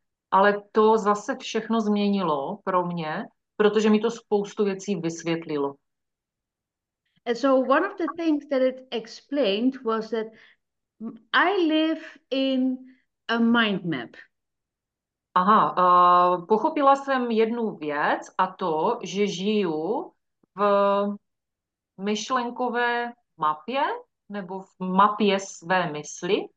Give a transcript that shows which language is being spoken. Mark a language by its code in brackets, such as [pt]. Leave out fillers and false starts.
[cs] Ale to zase všechno změnilo pro mě, protože mi to spoustu věcí vysvětlilo. [en] And so one of the things that it explained was that I live in a mind map. [cs] Aha, pochopila jsem jednu věc, a to, že žiju v myšlenkové mapě nebo v mapě své mysli.